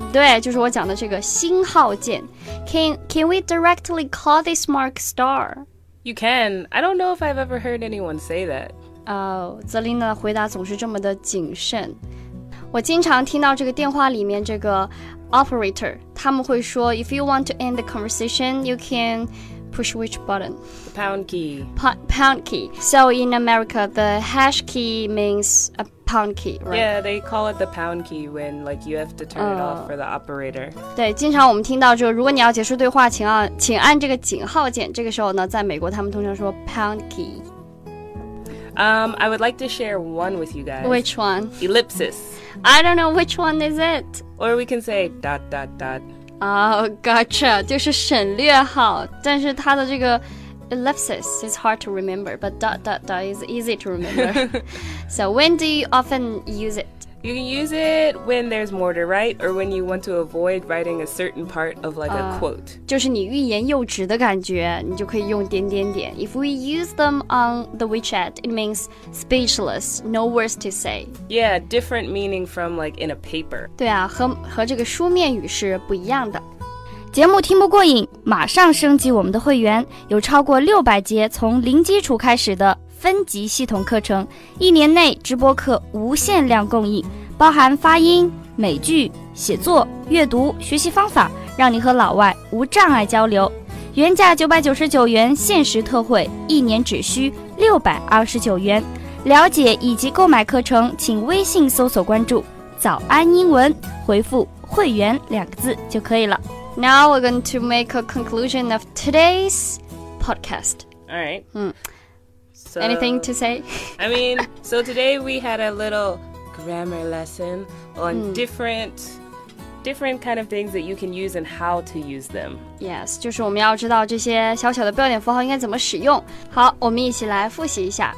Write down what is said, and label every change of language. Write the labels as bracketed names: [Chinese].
[Chinese] 对，就是我讲的这个星号键。 [English] Can we directly call this mark star? You can. I don't know if I've ever heard anyone say that. [Chinese] Zelina 的回答总是这么的谨慎。我经常听到这个电话里面这个 operator, 他们会说 [English] if you want to end the conversation, you canPush which button? The pound key. Pound key. So in America, the hash key means a pound key, right? Yeah, they call it the pound key when like, you have to turn it off for the operator. [Chinese] 对，经常我们听到就如果你要结束对话请按这个井号键，这个时候呢，在美国他们通常说 pound key. [English] I would like to share one with you guys. Which one? Ellipsis. I don't know which one is it. Or we can say dot dot dot. Gotcha, [Chinese] 就是省略号，但是它的这个 [English] ellipsis is hard to remember, but dot dot dot is easy to remember. So when do you often use it? You can use it when there's more to write or when you want to avoid writing a certain part of like a quote. [Chinese] 就是你欲言又止的感觉，你就可以用点点点。 [English] If we use them on the WeChat, it means speechless, no words to say. Yeah, different meaning from like in a paper. [Chinese] 对啊，和这个书面语是不一样的。节目听不过瘾，马上升级我们的会员，有超过600节从零基础开始的分级系统课程，一年内直播课无限量供应，包含发音、美剧、写作、阅读、学习方法，让你和老外无障碍交流。原价999元，限时特惠，一年只需629元。了解以及购买课程，请微信搜索关注早安英文，回复会员两个字就可以了。 [English] Now we're going to make a conclusion of today's podcast. All right. So, anything to say? I mean, so today we had a little grammar lesson on different kind of things that you can use and how to use them. [Chinese] Yes, 就是我们要知道这些小小的标点符号应该怎么使用。好，我们一起来复习一下。